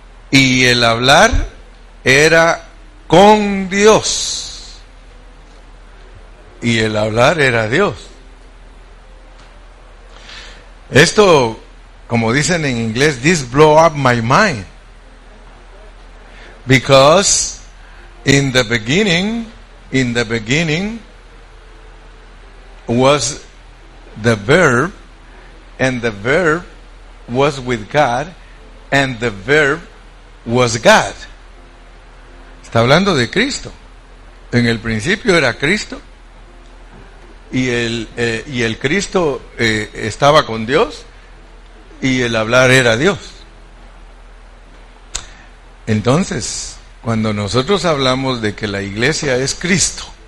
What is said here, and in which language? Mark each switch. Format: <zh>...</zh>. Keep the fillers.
<es>Y el hablar era con Dios. Y el hablar era Dios. Esto, como dicen en inglés,</es> <en>this blow up my mind. Because in the beginning, in the beginning was the verb and the verb was with God and the verb was God.</en> <es>Está hablando de Cristo. En el principio era Cristo. Y el, eh, y el Cristo eh, estaba con Dios. Y el hablar era Dios. Entonces, cuando nosotros hablamos de que la iglesia es Cristo.</es>